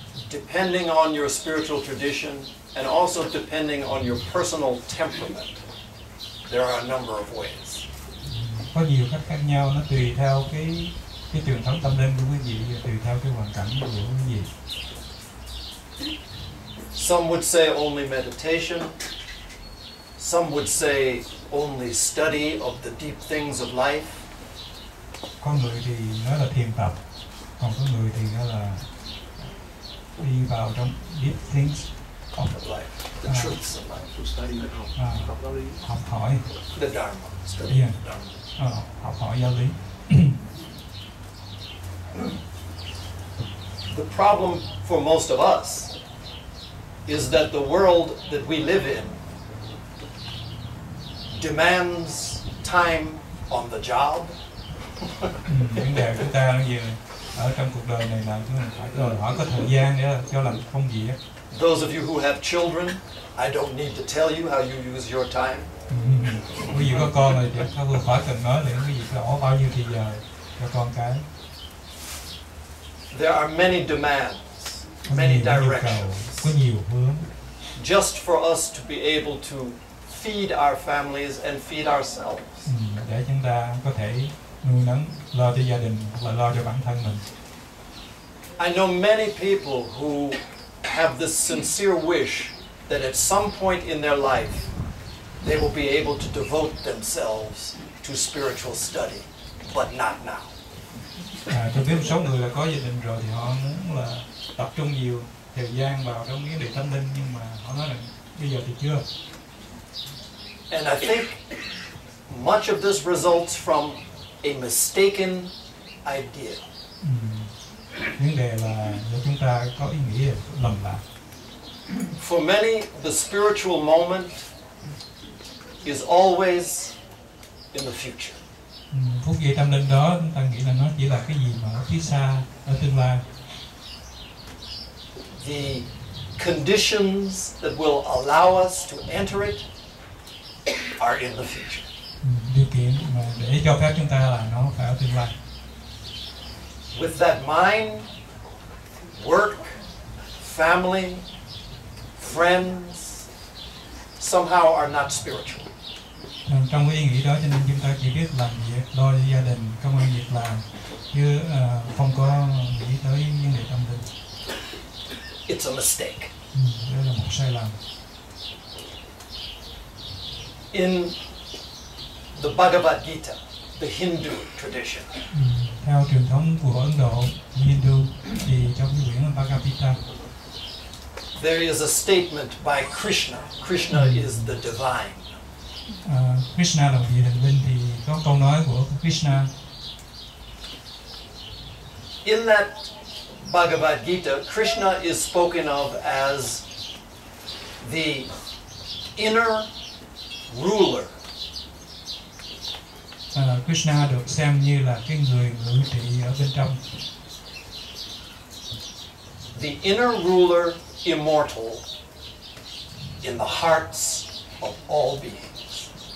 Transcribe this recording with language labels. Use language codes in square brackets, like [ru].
[en] Depending on your spiritual tradition and also depending on your personal temperament, there are a number of ways. [vi] Có nhiều cách khác nhau, nó tùy theo cái truyền thống tâm linh của quý vị, tùy theo cái hoàn cảnh của quý vị. [en] Some would say only meditation. Some would say only study of the deep things of life. [vi] Có người thì nói là thiền tập, còn có người thì nói là đi vào trong [en] deep things of life, the truths of life, [vi] học hỏi [en] the dharma, study the dharma, [vi] học hỏi giáo lý. [en] The problem for most of us is that the world that we live in demands time on the job. [vi] Vấn đề chúng ta là gì? Ở trong cuộc đời này là chúng mình phải đòi hỏi có thời gian để cho làm công việc. [en] Those of you who have children, I don't need to tell you how you use your time. [vi] Quý vị có con rồi thì không phải cần nói là quý vị sẽ bỏ bao nhiêu thời giờ cho con cái. [en] There are many demands, many directions. [vi] Có nhiều hướng. [en] Just for us to be able to feed our families and feed ourselves. [vi] Để chúng ta có thể nuôi nấng, lo cho gia đình hoặc là lo cho bản thân mình. [en] I know many people who have this sincere wish that at some point in their life they will be able to devote themselves to spiritual study, but not now. [vi] Tôi biết một số người là có gia đình rồi thì họ muốn là tập trung nhiều thời gian vào trong vấn đề tâm linh, nhưng mà họ nói là bây giờ thì chưa. [en] And I think much of this results from a mistaken idea. [vi] Vấn đề là chúng ta có ý nghĩ lầm lạc. [en] For many, the spiritual moment is always in the future. [vi] Phút giây tâm linh đó, chúng ta nghĩ là nó chỉ là cái gì mà ở phía xa, ở tương lai. [en] The conditions that will allow us to enter it are in the future. [vi] Điều kiện mà để cho phép chúng ta là nó phải ở tương lai. [en] With that mind, work, family, friends somehow are not spiritual. [vi] Trong cái ý nghĩ đó, cho nên chúng ta chỉ biết làm việc, lo cho gia đình, công ăn việc làm, chứ không có nghĩ tới vấn đề tâm linh. [en] It's a mistake. [vi] Đó là một sai lầm. [en] In the Bhagavad Gita, the Hindu tradition. [vi] Theo truyền thống của Ấn Độ, Hindu, thì trong cái quyển Bhagavad Gita, [en] there is a statement by Krishna. Krishna is the divine. [vi] Krishna là vị thần linh, thì có câu nói của Krishna. [en] In that Bhagavad Gita, Krishna is spoken of as the inner ruler. [vi] Krishna được xem như là cái người ngự trị ở bên trong. [en] The inner ruler, immortal, in the hearts of all beings.